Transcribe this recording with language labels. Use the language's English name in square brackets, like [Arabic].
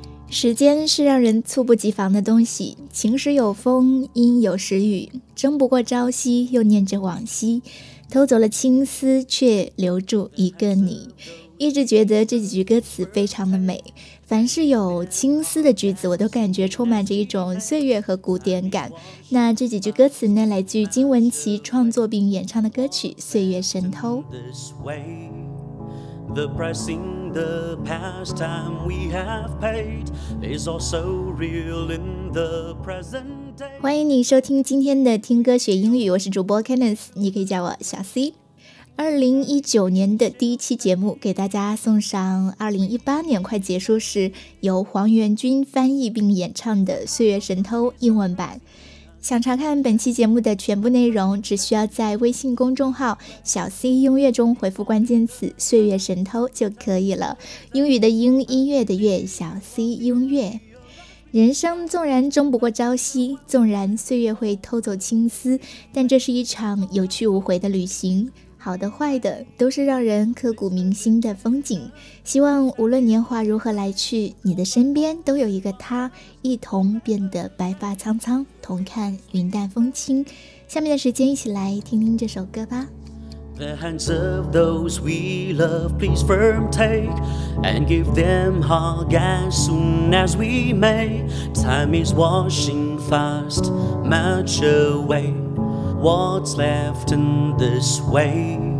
[Chinese] 时间是让人猝不及防的东西，晴时有风，阴有时雨，争不过朝夕，又念着往昔，偷走了青丝，却留住一个你。一直觉得这几句歌词非常的美，凡是有青丝的句子，我都感觉充满着一种岁月和古典感。那这几句歌词呢，来自于金玟岐创作并演唱的歌曲《岁月神偷》。 [English] The pricing, the pastime we have paid is also real in the present day. [Chinese] 欢迎你收听今天的听歌学英语，我是主播 Kenneth， 你可以叫我小 C。 2019年的第一期节目给大家送上2018年快结束时由黄元君翻译并演唱的《岁月神偷》英文版。想查看本期节目的全部内容，只需要在微信公众号小 C 音乐中回复关键词岁月神偷就可以了。英语的英，音乐的乐，小 C 音乐。人生纵然争不过朝夕，纵然岁月会偷走青丝，但这是一场有去无回的旅行，好的坏的都是让人刻骨铭心的风景。希望无论年华如何来去，你的身边都有一个他，一同变得白发苍苍，同看云淡风轻。下面的时间一起来听听这首歌吧。 [English] The hands of those we love, please firm take, and give them hug as soon as we may. Time is washing fast, much awayWhat's left in this way?